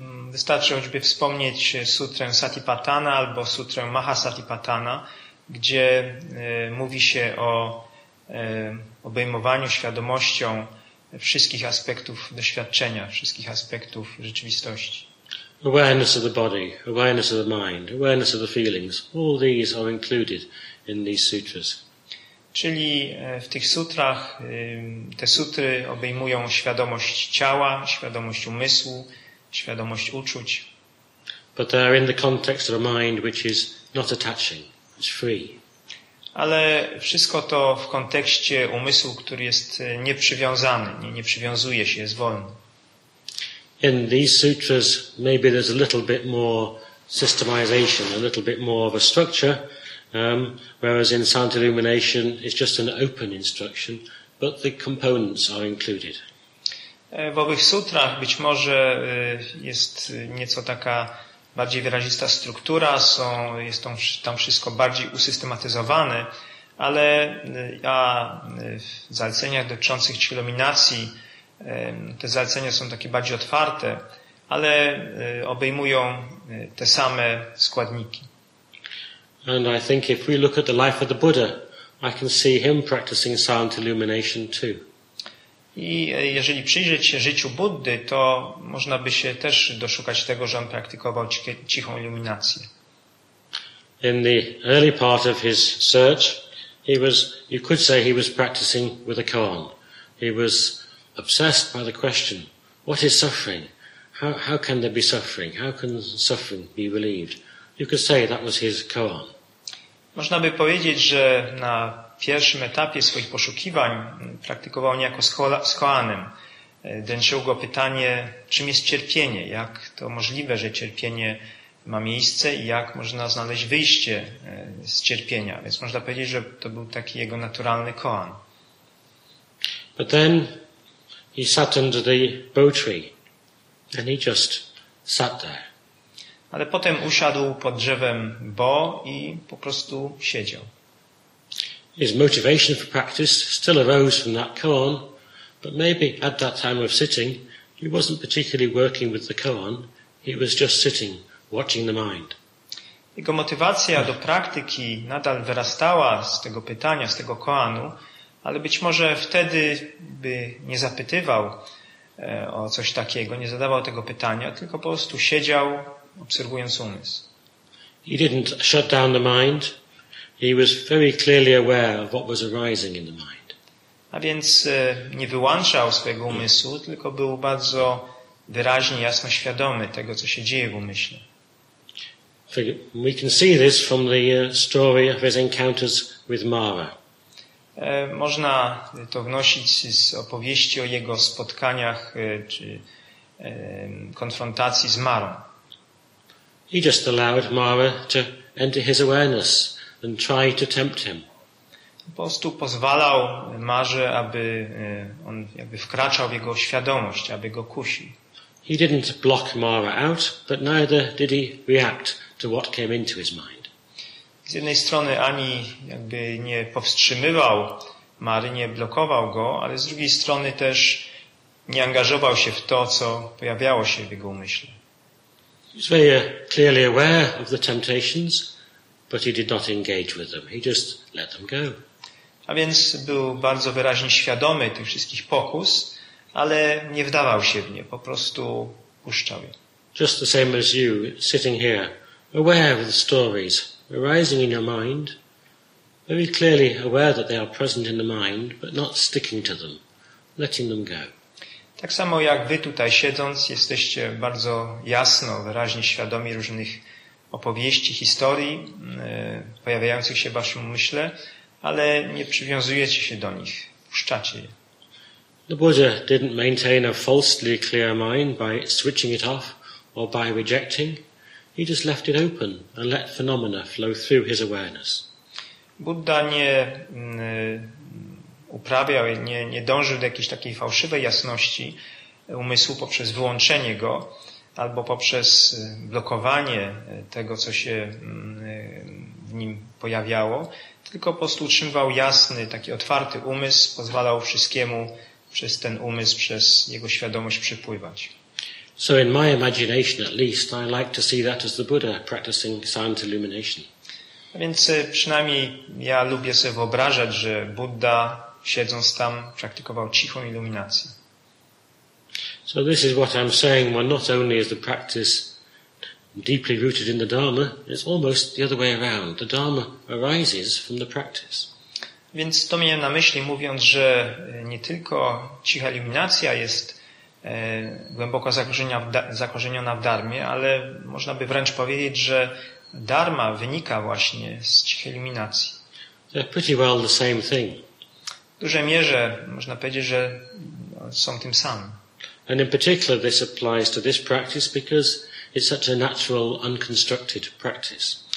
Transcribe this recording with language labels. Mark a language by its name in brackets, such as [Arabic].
[Polish] Wystarczy choćby wspomnieć sutrę Satipatthana albo sutrę Mahasatipatthana, gdzie mówi się o obejmowaniu świadomością wszystkich aspektów doświadczenia, wszystkich aspektów rzeczywistości. [English] Awareness of the body, awareness of the mind, awareness of the feelings, all these are included in these sutras. [Polish] Czyli w tych sutrach, te sutry obejmują świadomość ciała, świadomość umysłu, świadomość uczuć. [English] But they are in the context of a mind which is not attaching, it's free. [Polish] Ale wszystko to w kontekście umysłu, który jest nieprzywiązany, nie przywiązuje się, jest wolny. [English] In these sutras maybe there's a little bit more systemization, a little bit more of a structure, Whereas in silent illumination, it's just an open instruction, but the components are included. [Polish] W owych sutrach być może jest nieco taka bardziej wyrazista struktura, jest tam wszystko bardziej usystematyzowane, ale ja w zaleceniach dotyczących ćwi iluminacji te zalecenia są takie bardziej otwarte, ale obejmują te same składniki. [English] And I think if we look at the life of the Buddha, I can see him practicing silent illumination too. [Polish] I jeżeli przyjrzeć się życiu Buddy, to można by się też doszukać tego, że on praktykował cichą iluminację. [English] In the early part of his search, you could say he was practicing with a koan. He was obsessed by the question, what is suffering? How can there be suffering? How can suffering be relieved? You could say that was his koan. [Polish] Można by powiedzieć, że na pierwszym etapie swoich poszukiwań praktykował niejako z koanem. Dręczyło go pytanie, czym jest cierpienie? Jak to możliwe, że cierpienie ma miejsce i jak można znaleźć wyjście z cierpienia? Więc można powiedzieć, że to był taki jego naturalny koan. [English] But then he sat under the bow tree and he just sat there. [Polish] Ale potem usiadł pod drzewem Bo i po prostu siedział. [English] His motivation for practice still arose from that koan, but maybe at that time of sitting, he wasn't particularly working with the koan, he was just sitting, watching the mind. [Polish] Jego motywacja do praktyki nadal wyrastała z tego pytania, z tego koanu, ale być może wtedy by nie zapytywał o coś takiego, nie zadawał tego pytania, tylko po prostu siedział, obserwując umysł. [English] He didn't shut down the mind. He was very clearly aware of what was arising in the mind. [Polish] A więc nie wyłączał swojego umysłu, tylko był bardzo wyraźnie, jasno świadomy tego, co się dzieje w umyśle. [English] We can see this from the story of his encounters with Mara. [Polish] Można to wnosić z opowieści o jego spotkaniach czy konfrontacji z Marą. [English] He just allowed Mara to enter his awareness and try to tempt him. [Polish] Po prostu pozwalał Marze, aby on jakby wkraczał w jego świadomość, aby go kusił. [English] He didn't block Mara out, but neither did he react to what came into his mind. [Polish] Z jednej strony ani jakby nie powstrzymywał Mary, nie blokował go, ale z drugiej strony też nie angażował się w to, co pojawiało się w jego umyśle. [English] He was very clearly aware of the temptations, but he did not engage with them. He just let them go. [Polish] A więc był bardzo wyraźnie świadomy tych wszystkich pokus, ale nie wdawał się w nie, po prostu puszczał je. [English] Just the same as you, sitting here, aware of the stories arising in your mind, very clearly aware that they are present in the mind, but not sticking to them, letting them go. [Polish] Tak samo jak wy tutaj siedząc, jesteście bardzo jasno, wyraźnie świadomi różnych opowieści, historii pojawiających się w waszym umyśle, ale nie przywiązujecie się do nich, puszczacie je. [English] The Buddha didn't maintain a falsely clear mind by switching it off or by rejecting. He just left it open and let phenomena flow through his awareness. [Polish] Buddha nie uprawiał, nie dążył do jakiejś takiej fałszywej jasności umysłu poprzez wyłączenie go albo poprzez blokowanie tego, co się w nim pojawiało, tylko po prostu utrzymywał jasny, taki otwarty umysł, pozwalał wszystkiemu przez ten umysł, przez jego świadomość przepływać. [English] So in my imagination at least, I like to see that as the Buddha practicing silent illumination. [Polish] A więc przynajmniej ja lubię sobie wyobrażać, że Buddha siedząc tam praktykował cichą iluminację. [English] So this is what I'm saying, well, not only is the practice deeply rooted in the Dharma, it's almost the other way around. The Dharma arises from the practice. [Polish] Więc to miałem na myśli, mówiąc, że nie tylko cicha iluminacja jest głęboko zakorzeniona w Dharmie, ale można by wręcz powiedzieć, że Dharma wynika właśnie z cichej iluminacji. [English] They're pretty well the same thing. [Polish] W dużej mierze można powiedzieć, że są tym samym. [English] And in particular this applies to this practice because it's such a natural, unconstructed practice.